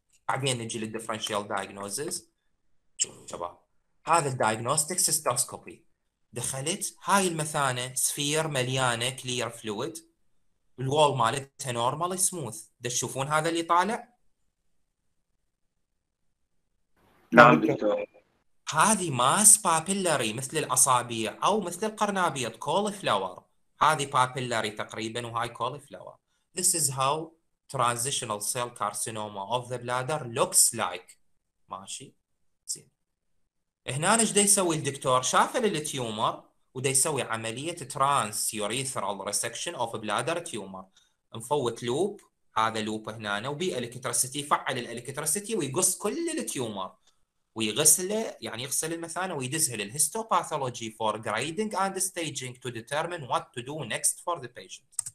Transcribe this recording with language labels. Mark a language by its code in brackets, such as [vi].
[ar] بعدين نجي للديفرنشال دايجنوزز. شوفوا شباب، هذا الدايجنوستيك سيستوسكوبي، دخلت هاي المثانه سفير مليانه كلير فلويد، الوول مالتها نورمال سموث، تشوفون هذا اللي طالع؟ نعم دكتور. هذه ماس بابيلاري مثل الاصابع او مثل القرنابيط، كولي فلاور، هذه بابيلاري تقريبا وهاي كولي فلاور. [en] This is how transitional cell carcinoma of the bladder looks like. [ar] ماشي زين، هنا ايش دي يسوي الدكتور؟ شاف التيومر ودي يسوي عمليه [en] transurethral resection of bladder tumour, [ar] مفوت لوب، هذا لوب هنا وبي الكتريسيتي، فعل الالكتريسيتي ويقص كل التيومر ويغسله، يعني يغسل المثانه ويدزه للهيستوباثولوجي [en] For grading and staging to determine what to do next for the patient.